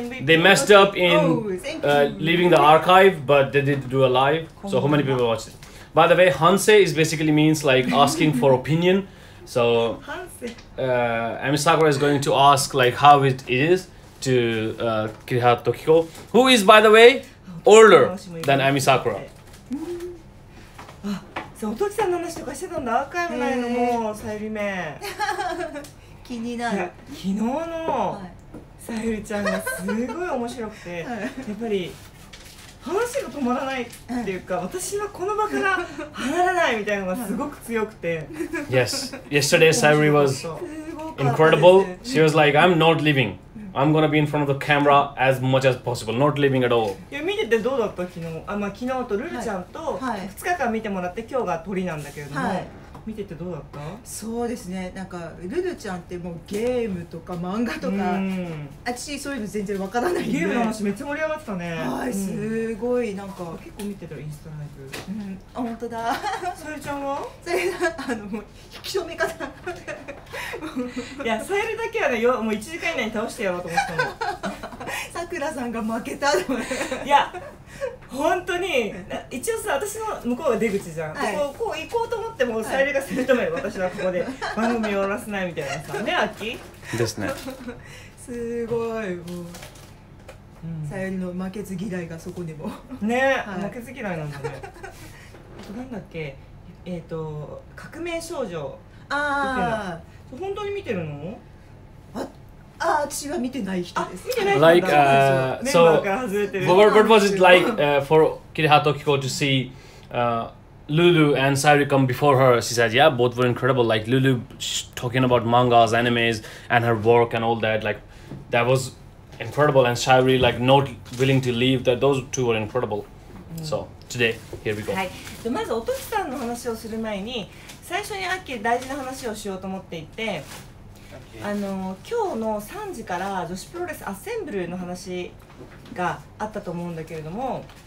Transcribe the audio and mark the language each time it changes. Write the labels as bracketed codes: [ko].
[en] They messed up in leaving the archive, but they did do a live. So how many people watched it? By the way, Hansei is basically means like asking for opinion. So Emi Sakura is going to ask like how it is to Kirihara Tokiko, who is, by the way, older than Emi Sakura. [ja] そう、おときさんの話とかしてたんだ。アーカイブないの、もうさゆりめ。気になる。昨日のさゆりちゃんがすごい面白くて、はい、やっぱり話が止まらないっていうか、はい、私はこの場から離れないみたいなのがすごく強くて。 [en] Yes, yesterday Sayuri was incredible. She was like, I'm not leaving. I'm gonna be in front of the camera as much as possible. Not leaving at all. [ja] いや、見ててどうだった昨日。あ、まあ、昨日とルルちゃんと2日間見てもらって、はい、今日が撮りなんだけれども、はい、見ててどうだった？そうですね、なんかルルちゃんってもうゲームとか漫画とか、私そういうの全然わからないんで、ゲームの話めっちゃ盛り上がってたね。はい、すごい、なんか結構見てたインスタライブ。あ、本当だ。さゆりちゃんは？さゆりさん、あの、もう引き止め方。いや、さゆりだけはね、もう1時間以内に倒してやろうと思ったの。さくらさんが負けた。いや、本当に一応さ、私の向こうが出口じゃん、はい、こう行こうと思ってもさゆりが攻め止める、はい、私はここで番組を終わらせないみたいなさね、あきですね。すごい、もうさゆりの負けず嫌いがそこでもね、はい、負けず嫌いなんだね。なんだっけ、革命少女。ああ、本当に見てるの？あ、私は見てない人です。見てない。Like, [en] so, what was it like for Kirihara Tokiko to see Lulu and Sayuri come before her? She said, yeah, both were incredible. Like Lulu talking about mangas, animes, and her work and all that. Like, that was incredible, and Shairi like not willing to leave, that those two were incredible. So today, here we go. [ja] はい。で、まずおとちさんの話をする前に、最初にアッキー大事な話をしようと思っていて、あの今日の3時から女子プロレスアッセンブルの話があったと思うんだけれども。